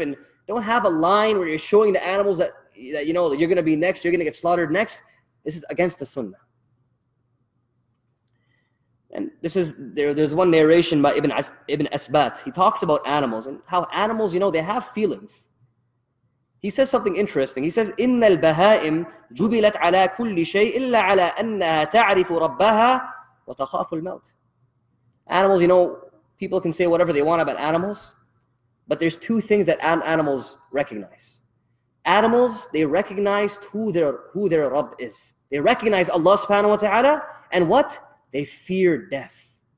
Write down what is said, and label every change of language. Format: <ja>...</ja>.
<en>And don't have a line where you're showing the animals that you're going to be next. You're going to get slaughtered next. This is against the sunnah. And this is, there's one narration by Ibn Asbat. He talks about animals and how animals, they have feelings. He says something interesting. He says,</en> <ar>إِنَّ الْبَهَائِمْ جُبِلَتْ عَلَىٰ كُلِّ شَيْءٍ إِلَّا عَلَىٰ أَنَّهَا تَعْرِفُ رَبَّهَا وَتَخَافُ الْمَوْتِ.</ar> <en>Animals, people can say whatever they want about animals, but there's two things that animals recognize. Animals, they recognize who their Rabb is. They recognize Allah subhanahu wa ta'ala, and what? They fear death.</en>